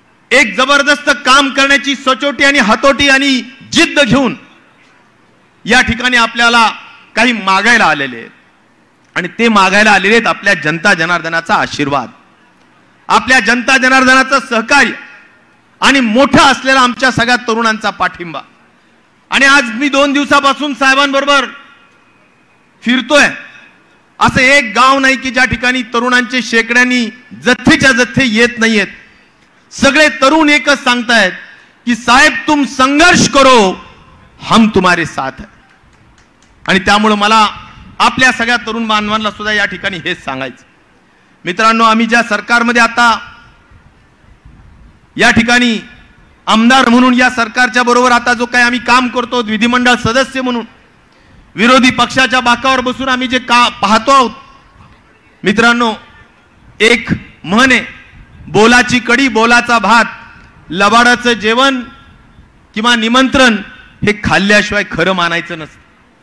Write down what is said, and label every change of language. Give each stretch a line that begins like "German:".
Marathi: एक जबरदस्त काम करण्याची सचोटी आणि हतोटी आणि जिद्द घेऊन या ठिकाणी आपल्याला काही मागायला आलेले आहेत आणि ते मागायला आलेले आहेत आपल्या जनता जनार्दनाचा आशीर्वाद, आपल्या जनता जनार्दनाचं सहकार्य आणि मोठा असलेला आमच्या सगळ्या तरुणांचा पाठिंबा. आणि आज मी 2 दिवसापासून साहेबांबरोबर फिरतोय, असं एक गाव नाही की ज्या ठिकाणी तरुणांचे शेकड्यांनी जथ्थेच्या जथ्थे येत नाहीयेत. सगळे तरुण एकच सांगतायत की
Hindi: साहेब तुम संघर्ष करो, हम तुम्हारे साथ है.
Marathi: आणि त्यामुळं मला आपल्या सगळ्या तरुण बांधवांना सुद्धा या ठिकाणी हेच सांगायचं. मित्रांनो, आम्ही ज्या सरकारमध्ये आता या ठिकाणी आमदार म्हणून या सरकारच्या बरोबर आता जो काही आम्ही काम करतो, विधिमंडळ सदस्य म्हणून विरोधी पक्षाच्या बाकावर बसून आम्ही जे का पाहतो आहोत, मित्रांनो एक म्हण आहे, बोलाची कडी बोलाचा भात, लबाडाचं जेवण किंवा निमंत्रण हे खाल्ल्याशिवाय खरं मानायचं नसतं.